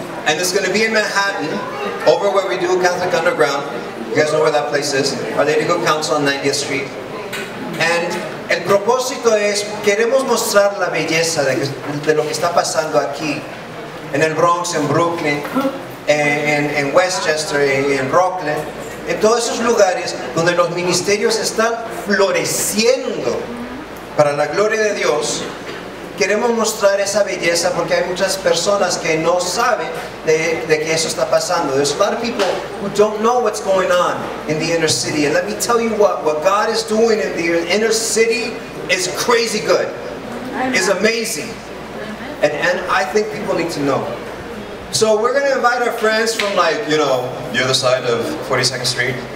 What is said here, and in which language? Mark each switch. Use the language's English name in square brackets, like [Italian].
[English] And it's going to be in Manhattan, over where we do Catholic Underground. You guys know where that place is. Our Lady Good Counsel on 90th Street. [Spanish] And el propósito es, queremos mostrar la belleza de lo que está pasando aquí en el Bronx, en Brooklyn, en Westchester, en Rockland, en todos esos lugares donde los ministerios están floreciendo para la gloria de Dios. Queremos mostrar esa belleza porque hay muchas personas que no saben de que eso está pasando. [English] There's a lot of people who don't know what's going on in the inner city. And let me tell you what God is doing in the inner city is crazy good. It's amazing. And I think people need to know. So we're going to invite our friends from like, you know, the other side of 42nd Street.